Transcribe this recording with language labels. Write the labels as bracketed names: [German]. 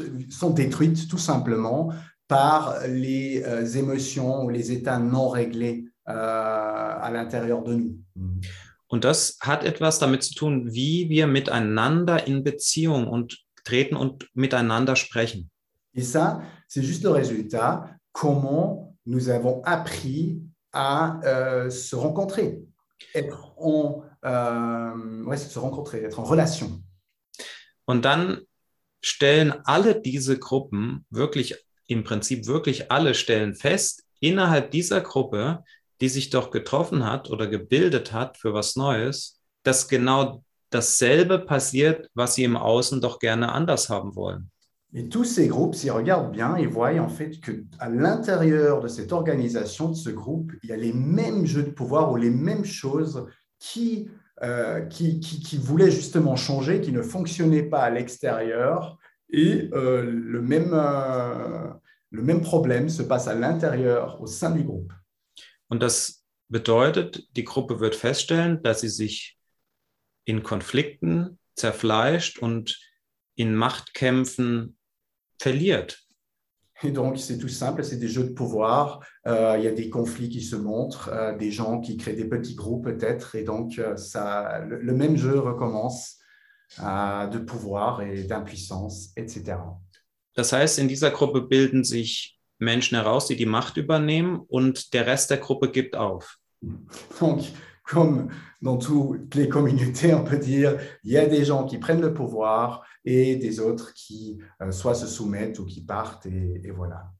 [French] sont détruites tout simplement par les émotions ou les états non réglés à l'intérieur de nous. [German] Und das hat etwas damit zu tun, wie wir miteinander in Beziehung und treten und miteinander sprechen. [French] Et ça, c'est juste le résultat. Comment nous avons appris à se rencontrer, se rencontrer, être en relation. [German] Und dann stellen alle diese Gruppen, wirklich im Prinzip wirklich alle stellen fest, innerhalb dieser Gruppe, die sich doch getroffen hat oder gebildet hat für was Neues, dass genau dasselbe passiert, was sie im Außen doch gerne anders haben wollen. [French] Et tous ces groupes, s'ils regardent bien, ils voient en fait qu'à l'intérieur de cette organisation, de ce groupe, il y a les mêmes jeux de pouvoir ou les mêmes choses qui voulaient justement changer, qui ne fonctionnaient pas à l'extérieur. Et le même problème se passe à l'intérieur, au sein du groupe. [German] Und das bedeutet, die Gruppe wird feststellen, dass sie sich in Konflikten zerfleischt und in Machtkämpfen verliert. [French] Et donc, c'est tout simple, c'est des jeux de pouvoir. Il y a des conflits qui se montrent, des gens qui créent des petits groupes peut-être. Et donc, le même jeu recommence, de pouvoir et d'impuissance, etc. [German] Das heißt, in dieser Gruppe bilden sich Menschen heraus, die die Macht übernehmen und der Rest der Gruppe gibt auf. [French] Donc, comme dans toutes les communautés, on peut dire, il y a des gens qui prennent le pouvoir et des autres qui soit se soumettent ou qui partent. Et voilà.